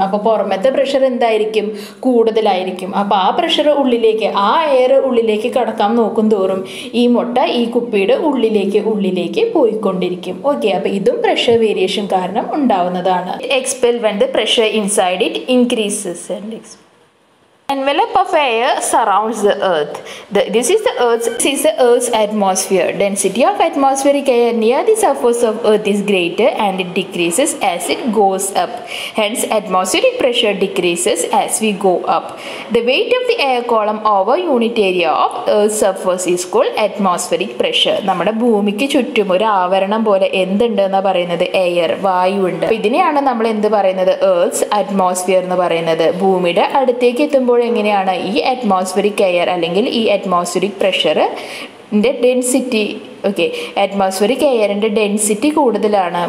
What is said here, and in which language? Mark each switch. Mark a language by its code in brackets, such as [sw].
[ml] അപ്പോൾ പുറമത്തെ പ്രഷർ എന്തായിരിക്കും കൂടുതലായിരിക്കും. അപ്പോൾ ആ പ്രഷർ ഉള്ളിലേക്ക് ആ എയർ ഉള്ളിലേക്ക് കടക്കാൻ നോക്കും തോറും ഈ മുട്ട ഈ കുപ്പിയുടെ ഉള്ളിലേക്ക് പോയിക്കൊണ്ടിരിക്കും. ഓക്കെ, അപ്പോൾ ഇതും പ്രഷർ വേരിയേഷൻ കാരണം ഉണ്ടാവുന്നതാണ്. [en] Expel when the pressure inside it increases and Envelope of air surrounds the earth. This is the earth's atmosphere. Density of atmospheric air near the surface of earth is greater and it decreases as it goes up. Hence, atmospheric pressure decreases as we go up. The weight of the air column over unit area of earth's surface is called atmospheric pressure. [ml] നമ്മുടെ ഭൂമിക്ക് ചുറ്റും ഒരു ആവരണം പോലെ എന്തുണ്ട് എന്ന് പറയുന്നത് air, വായു ഉണ്ട്. ഇതിനെയാണ് നമ്മൾ എന്ത് പറയുന്നത്, earth's atmosphere എന്ന് പറയുന്നത്. ഭൂമിയുടെ അടുത്തേക്ക് എത്തുമ്പോൾ എങ്ങനെയാണ് ഈ അറ്റ്മോസ്ഫിയറിക് എയർ അല്ലെങ്കിൽ ഈ അറ്റ്മോസ്ഫിയറിക് പ്രഷർ ഇൻ്റെ ഡെൻസിറ്റി, ഓക്കെ, അറ്റ്മോസ്ഫിയറിക് എയറിൻ്റെ ഡെൻസിറ്റി കൂടുതലാണ്.